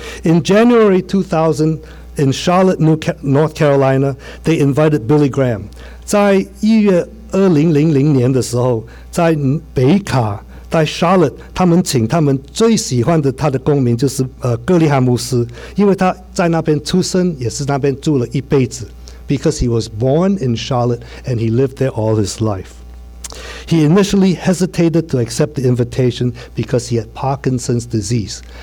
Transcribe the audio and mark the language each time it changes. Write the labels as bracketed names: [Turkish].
[English] In January 2000, in Charlotte, North Carolina, they invited Billy Graham. [Chinese] 在1月2000年的时候, 在北卡, 在Charlotte, 他们请他们最喜欢的他的公民, 就是格里汉姆斯, 因为他在那边出生, 也是那边住了一辈子, [English] because he was born in Charlotte and he lived there all his life. He initially hesitated to accept the invitation because he had Parkinson's disease.